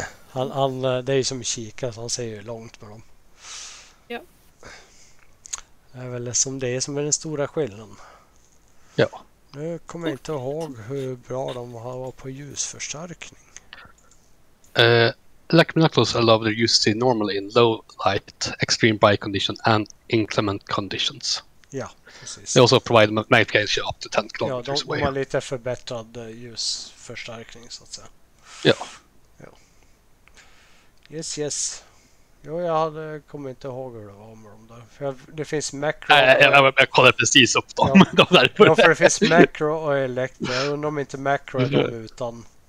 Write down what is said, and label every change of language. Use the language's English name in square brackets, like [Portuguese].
[Swedish] han, det är ju som kika, så han ser ju långt med dem. Ja. Det är väl som det som är den stora skillnaden. Ja. Nu kommer jag inte ihåg hur bra de var på ljusförstärkning. [English] Electrobinoculars allow their use to normally in low light, extreme bright condition and inclement conditions. [Swedish] Ja, precis. [English] They also provide magnification up to 10 kilometers away. [Swedish] Ja, de har lite förbättrad ljusförstärkning så att säga. Ja. [English] Yes, yes. [Swedish] Jo, jag hade, kommer inte ihåg hur det var med dem där. För det finns macro... Jag kollade precis upp dem. Ja. Ja, för det finns macro och elektro. Jag undrar om inte macro är dem utan...